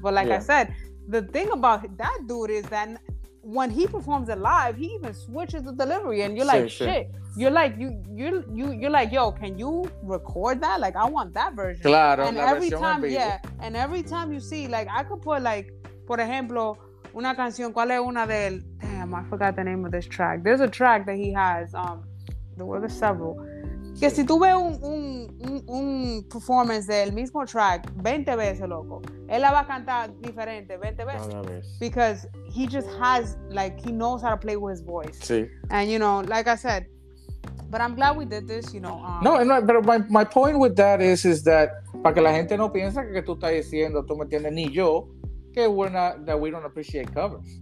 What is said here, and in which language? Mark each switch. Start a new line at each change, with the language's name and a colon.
English: But like I said, the thing about that dude is that when he performs it live, he even switches the delivery, and you're like, shit. You're like, you're like, yo, can you record that? Like, I want that version.
Spanish: Claro,
English: and every time, and every time you see, like, I could put, like,
Spanish: por ejemplo, una canción, ¿cuál es una de él?
English: Damn, Damn, I forgot the name of this track. There's a track that he has. There were several.
Spanish: Que si tuve un performance del mismo track 20 veces, loco, él la va a cantar diferente 20 veces.
English: Because he just has, like, he knows how to play with his voice.
Spanish: Sí.
English: And, you know, like I said, but I'm glad we did this, you know. My point with that is that
Spanish: para que la gente no piense que tú estás diciendo, tú me entiendes, ni yo, que
English: we're not, that we don't appreciate covers.